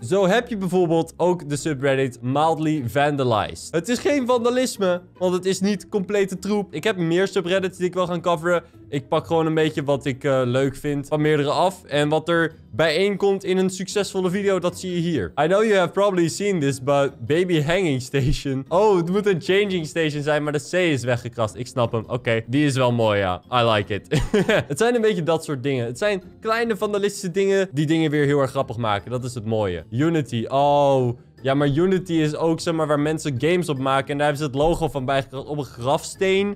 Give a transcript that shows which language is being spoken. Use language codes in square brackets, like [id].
[nl] Zo heb je bijvoorbeeld ook de subreddit Mildly Vandalized. Het is geen vandalisme, want het is niet complete troep. Ik heb meer subreddits die ik wil gaan coveren. Ik pak gewoon een beetje wat ik leuk vind van meerdere af. En wat er bijeenkomt in een succesvolle video, dat zie je hier. [en] I know you have probably seen this, but baby hanging station. [nl] Oh, het moet een changing station zijn, maar de C is weggekrast. Ik snap hem. Oké, die is wel mooi, ja. [en] I like it. [nl] Het zijn een beetje dat soort dingen. Het zijn kleine vandalistische dingen die dingen weer heel erg grappig maken. Dat is het mooie. Unity. Oh. Ja, maar Unity is ook, zeg maar, waar mensen games op maken. En daar hebben ze het logo van bijgekrast op een grafsteen.